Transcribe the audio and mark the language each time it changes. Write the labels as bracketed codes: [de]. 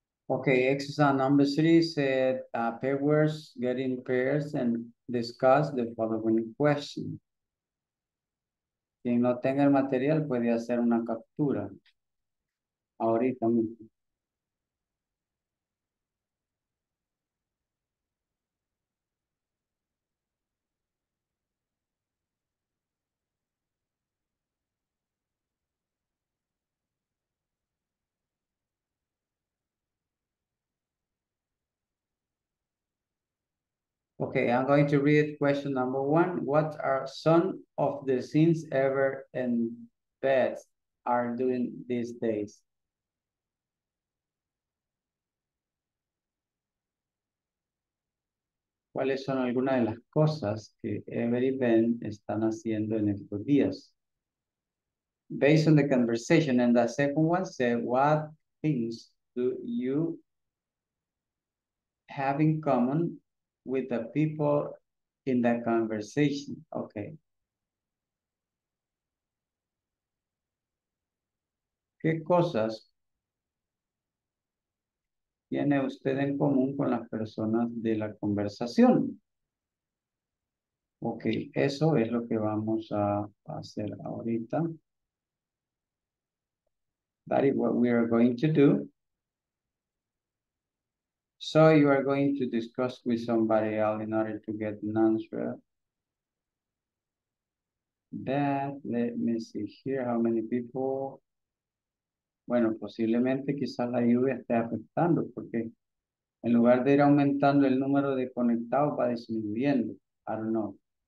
[en] Okay, exercise number three said pair words, get in pairs and discuss the following question. [es] Quien no tenga el material puede hacer una captura. Ahorita mismo. [en] Okay, I'm going to read question number one. What are some of the things ever and best are doing these days? [es] ¿Cuáles son algunas de las cosas que Ever y Ben están haciendo en estos días? [en] Based on the conversation, and the second one said, what things do you have in common with the people in the conversation? Okay. [es] ¿Qué cosas tiene usted en común con las personas de la conversación? Okay, eso es lo que vamos a hacer ahorita. [en] That is what we are going to do. So you are going to discuss with somebody else in order to get an answer. That, let me see here, how many people. [es] Bueno, posiblemente quizás la lluvia esté afectando porque en lugar de ir aumentando el número de conectados va disminuyendo. [en] I don't know.